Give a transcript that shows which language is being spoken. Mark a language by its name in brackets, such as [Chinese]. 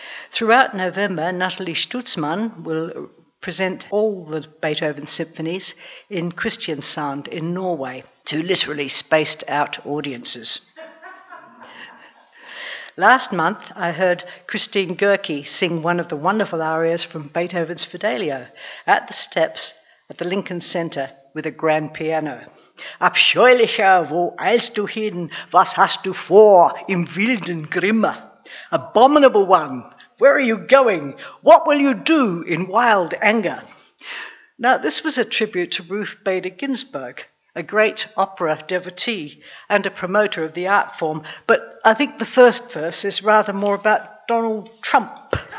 [English] Throughout November, Natalie Stutzmann will present all the Beethoven symphonies in Kristiansand in Norway to literally spaced out audiences. Last month, I heard Christine Gerke sing one of the wonderful arias from Beethoven's Fidelio at the steps at the Lincoln Center with a grand piano. [German] Abscheulicher, wo eilst du hin? Was hast du vor im wilden Grimme? [English] Abominable one! Where are you going? What will you do in wild anger? Now, this was a tribute to Ruth Bader Ginsburg, a great opera devotee and a promoter of the art form, but I think the first verse is rather more about Donald Trump.